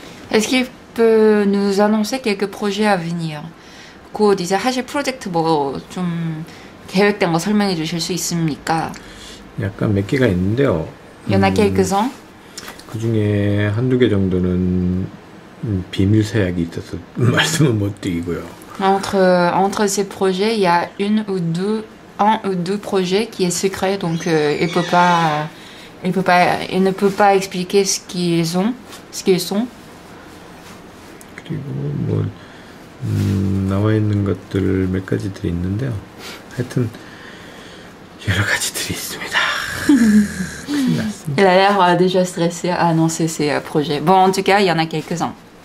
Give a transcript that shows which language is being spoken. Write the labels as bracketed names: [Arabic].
[French] Est-ce qu'il peut nous annoncer quelques projets à venir? [Korean] 곧 이제 하실 프로젝트 뭐 좀 계획된 거 설명해 주실 수 있습니까? 약간 몇 개가 있는데요. [French] Il y en a quelques-uns? [Korean] 그 중에 한두 개 정도는 비밀 사약이 있어서 말씀은 못 드리고요. [French] Entre ces projets, il y a un ou deux projets qui est secret, donc il ne peut pas expliquer ce qu'ils sont. [Korean] 그리고 뭐 나와 있는 것들 몇 가지들이 있는데요. 하여튼 여러 가지들이 있습니다. [French] Il a l'air déjà stressé à annoncer ses projets. Bon, en tout cas, il y en a quelques-uns.